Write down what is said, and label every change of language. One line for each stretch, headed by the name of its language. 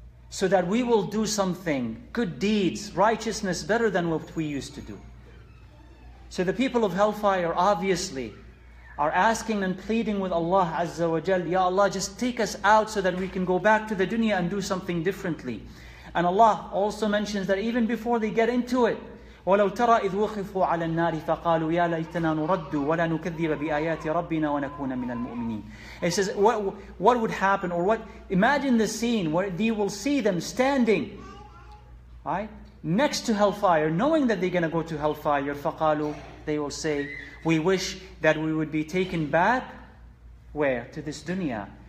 English: So that we will do something, good deeds, righteousness, better than what we used to do. So the people of hellfire, obviously, are asking and pleading with Allah Azza wa Jal, Ya Allah, just take us out so that we can go back to the dunya and do something differently. And Allah also mentions that even before they get into it,
Arabic: وَلَوْ تَرَى إِذْ وُخِفُوا عَلَى النَّارِ فَقَالُوا يَا لَيْتَنَا نُرَدُّ وَلَا نُكَذِّبَ بِآيَاتِ رَبِّنَا وَنَكُونَ مِنَ الْمُؤْمِنِينَ.
English: It says, what would happen? Or what? Imagine the scene where you will see them standing, right? Next to hellfire, knowing that they're going to go to hellfire. فَقَالُوا, they will say, we wish that we would be taken back, where? To this dunya.